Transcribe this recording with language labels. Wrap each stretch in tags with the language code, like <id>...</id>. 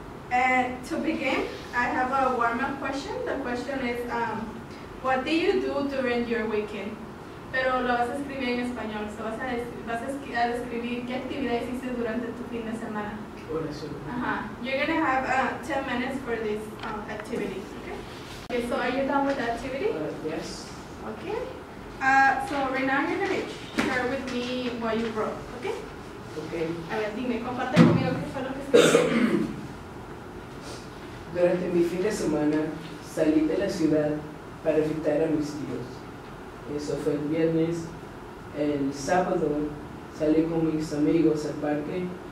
<en>And to begin, I have a warm-up question. The question is, what do you do during your weekend?</en> <es>Pero lo vas a escribir en español. So vas a describir qué actividades hiciste durante tu fin de semana.</es> <en>You're going to have 10 minutes for this activity. Okay, so are you done with the activity? Yes. Okay. So right now you're going to share with me what you wrote, okay? Okay.</en> <es>A ver, dime, comparte conmigo qué fue lo que escribiste. Durante mi fin de semana, salí de la ciudad para visitar a mis tíos. Eso fue el viernes. El sábado, salí con mis amigos al parque.</es>